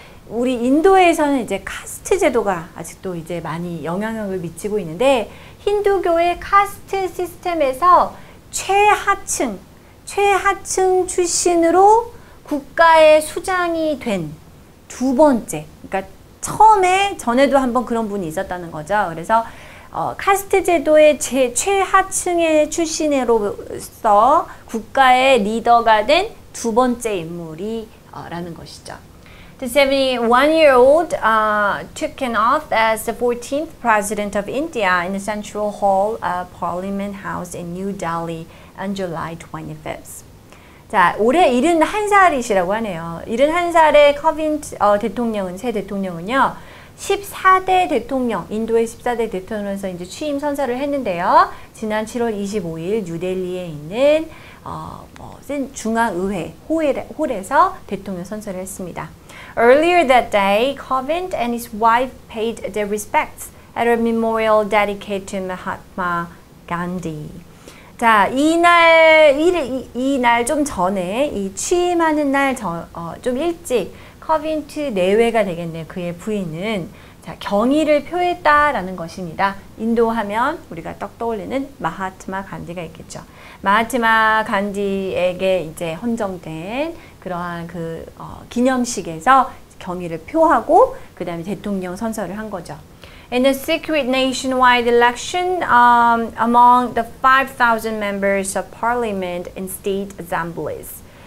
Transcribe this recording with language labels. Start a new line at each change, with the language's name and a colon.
Korean: 우리 인도에서는 이제 카스트 제도가 아직도 이제 많이 영향력을 미치고 있는데 힌두교의 카스트 시스템에서 최하층 출신으로 국가의 수장이 된 두 번째, 그러니까 처음에 전에도 한번 그런 분이 있었다는 거죠. 그래서 카스트 제도의 최하층의 출신으로서 국가의 리더가 된 두 번째 인물이 라는 것이죠.
English: The 71-year-old took an oath as the 14th president of India in the Central Hall of Parliament House in New Delhi on July 25th.
Korean: 자, 올해 71살이시라고 하네요. 71살의 커빈트 대통령은 새 대통령은요. 14대 대통령, 인도의 14대 대통령에서 이제 취임 선서를 했는데요. 지난 7월 25일 뉴델리에 있는 중앙의회 홀에서 대통령 선서를 했습니다.
English: Earlier that day, Kovind and his wife paid their respects at a memorial dedicated to Mahatma Gandhi.
Korean: 자, 이날 좀 전에 이 취임하는 날 좀 일찍 커빈트 내외가 되겠네요. 그의 부인은 자, 경의를 표했다라는 것입니다. 인도 하면 우리가 떡 떠올리는 마하트마 간디가 있겠죠. 마하트마 간디에게 이제 헌정된 그러한 그 기념식에서 경의를 표하고 그 다음에 대통령 선서를 한 거죠.
English: In a secret nationwide election among the 5,000 members of parliament and state assemblies.